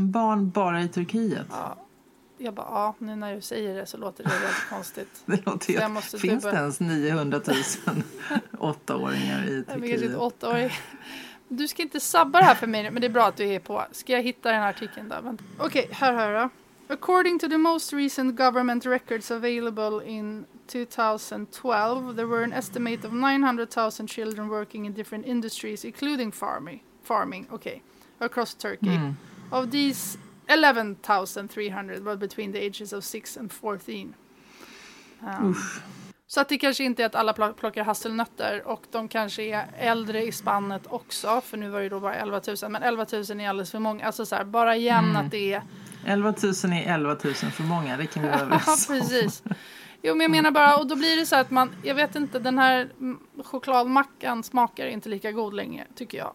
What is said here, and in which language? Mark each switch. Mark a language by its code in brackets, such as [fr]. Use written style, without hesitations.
[sv] barn bara i Turkiet? Ja. Jag bara, nu när du säger det så låter det väldigt konstigt. Finns det ens 900 000 åttaåringar i Turkiet? Du ska inte sabba det här för mig, men det är bra att du är på. Ska jag hitta den här artikeln då? Okej, hör då. [en] According to the most recent government records available in 2012, there were an estimate of 900 000 children working in different industries, including farming, across Turkey. Mm. Of these... 11,300 but between the ages of 6 and 14. [sv] Så att det kanske inte är att alla plockar hasselnötter och de kanske är äldre i spannet också, för nu var det ju då bara 11,000, men 11,000 är alldeles för många. Alltså så här, bara igen att det är... 11,000 är 11,000 för många, det kan vi göra. Ja, precis. Jo, men jag menar bara, och då blir det så att man, jag vet inte, den här chokladmackan smakar inte lika god längre, tycker jag.